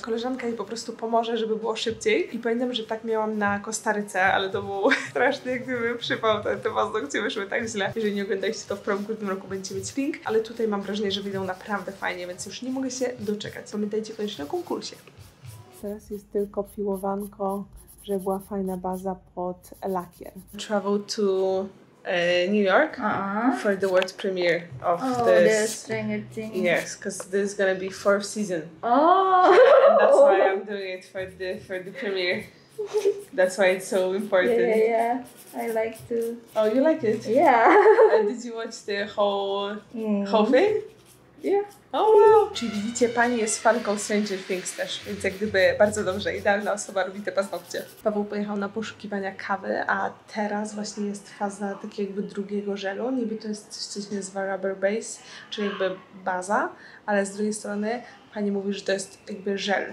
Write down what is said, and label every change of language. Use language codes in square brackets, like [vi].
[pl] Koleżanka jej po prostu pomoże, żeby było szybciej. I pamiętam, że tak miałam na Kostaryce, ale to był straszny, jakby przypał. Te paznokcie wyszły tak źle. Jeżeli nie oglądaliście to w promku, w tym roku będzie mieć link. Ale tutaj mam wrażenie, że wyjdą naprawdę fajnie, więc już nie mogę się doczekać. Pamiętajcie koniecznie o konkursie. Teraz jest tylko piłowanko, żeby była fajna baza pod lakier. [en] Travel to New York for the world premiere of this Stranger Things. Yes, because this is gonna be fourth season. And that's why I'm doing it for the premiere. That's why it's so important. Yeah, yeah, yeah. I like to. Oh, you like it? Yeah. And did you watch the whole thing? Yeah. Oh wow. [pl] Czyli widzicie, pani jest fanką Stranger Things też, więc jak gdyby bardzo dobrze, idealna osoba robi te paznokcie. Paweł pojechał na poszukiwania kawy, a teraz właśnie jest faza takiego jakby drugiego żelu. Niby to jest coś, co się nazywa rubber base, czyli jakby baza, ale z drugiej strony pani mówi, że to jest jakby żel.